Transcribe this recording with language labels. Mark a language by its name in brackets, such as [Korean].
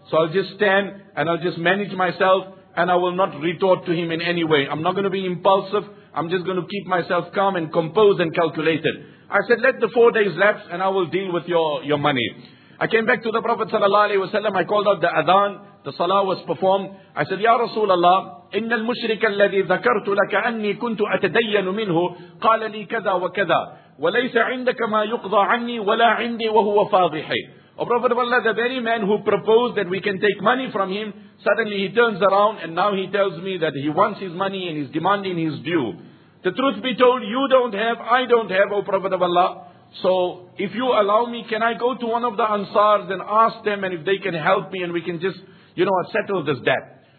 [English] So I'll just stand and I'll just manage myself. And I will not retort to him in any way. I'm not going to be impulsive. I'm just going to keep myself calm and composed and calculated. I said, let the 4 days lapse and I will deal with your money. I came back to the Prophet sallallahu alaihi wasallam. I called out the adhan. The salah was performed. I said, [Arabic] Ya Rasulullah, إن المشرك الذي ذكرت لك أني كنت أتدين منه قال لي كذا وكذا وليس عندك ما يقضى عني ولا عندي وهو فاضحي. [English] O Prophet of Allah, the very man who proposed that we can take money from him, suddenly he turns around and now he tells me that he wants his money and he's demanding his due. The truth be told, you don't have, I don't have, O Prophet of Allah. So if you allow me, can I go to one of the Ansars and ask them and if they can help me and we can just, you know, settle this debt.